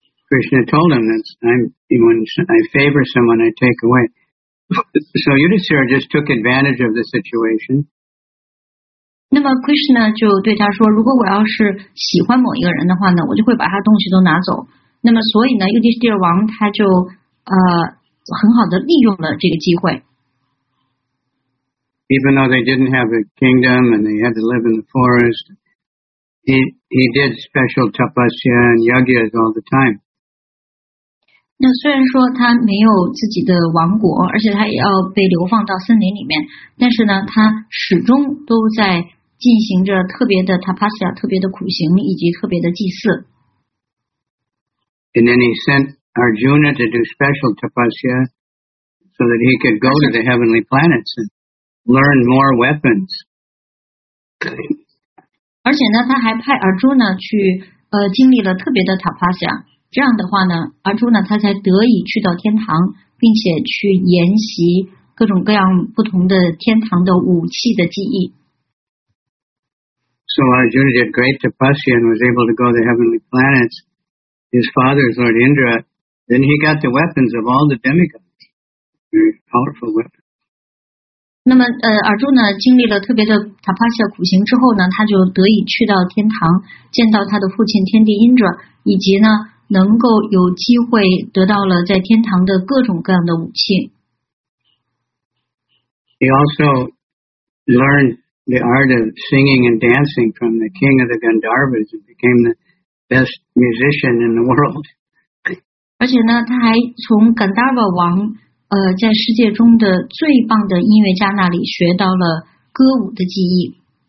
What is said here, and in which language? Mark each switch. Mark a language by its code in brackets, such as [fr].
[en] Krishna told him that when I favor someone, I take away. So Yudhisthira just took advantage of the situation. [zh] 那么 Krishna 就对他说，如果我要是喜欢某一个人的话呢，我就会把他东西都拿走。那么所以呢， Yudhisthira 王他就很好的利用了这个机会。 [en] Even though they didn't have a kingdom and they had to live in the forest, he did special tapasya and yagyas all the time. [zh] 那虽然说他没有自己的王国，而且他也要被流放到森林里面，但是呢，他始终都在进行着特别的 tapasya 特别的苦行以及特别的祭祀。 [en] And then he sent Arjuna to do special tapasya so that he could go to the heavenly planets and learn more weapons. [zh] 而且呢，他还派尔朱呢去经历了特别的塔帕夏，这样的话呢，尔朱呢他才得以去到天堂，并且去研习各种各样不同的天堂的武器的技艺。 [en] So Arjuna, the great tapasya, was able to go to the heavenly planets. His father is Lord Indra. Then he got the weapons of all the demigods. Very powerful weapons. [zh] 那么，尔朱呢，经历了特别的塔帕夏苦行之后呢，他就得以去到天堂，见到他的父亲天帝 Indra， 以及呢，能够有机会得到了在天堂的各种各样的武器。 [en] He also learned the art of singing and dancing from the king of the Gandharvas and became the best musician in the world. [zh] 而且呢，他还从 Gandharva 王在世界中的最棒的音乐家那里学到了歌舞的技艺。